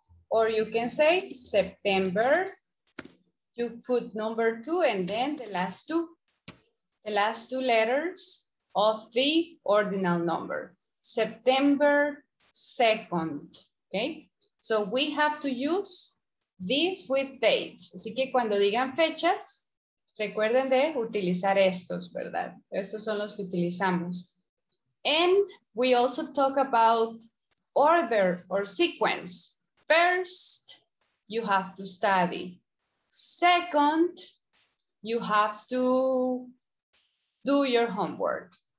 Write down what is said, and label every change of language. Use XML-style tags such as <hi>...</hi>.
<en>Or you can say September, you put number two and then the last two letters of the ordinal number, September 2nd, okay? So we have to use this with dates.</en> <es>Así que cuando digan fechas, recuerden de utilizar estos, ¿verdad? Estos son los que utilizamos.</es> <en>And we also talk about order or sequence. First, you have to study. Second, you have to do your homework.</en>